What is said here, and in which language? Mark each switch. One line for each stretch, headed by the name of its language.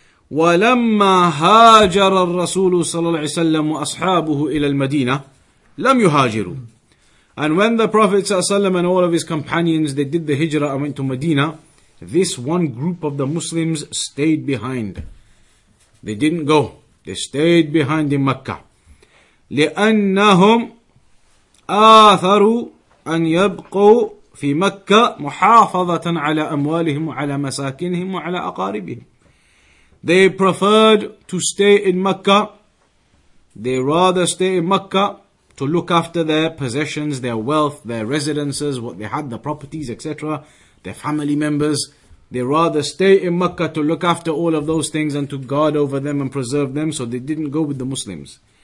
Arabic: وَلَمَّا هَاجَرَ الرَّسُولُ صَلَى اللَّهِ عَلَيْهِ وَسَلَّمُ وَأَصْحَابُهُ إِلَى الْمَدِينَةِ لَمْ يُهَاجِرُوا.
English: And when the Prophet ﷺ and all of his companions, they did the hijrah and went to Medina, this one group of the Muslims stayed behind. They didn't go. They stayed behind in Mecca.
Arabic: لِأَنَّهُمْ آثروا أن يبقوا في مكة محافظة على أموالهم وعلى مساكنهم وعلى أقاربهم.
English: They preferred to stay in Mecca. They rather stay in Mecca to look after their possessions, their wealth, their residences, what they had, the properties, etc., their family members. They rather stay in Mecca to look after all of those things and to guard over them and preserve them, so they didn't go with the Muslims.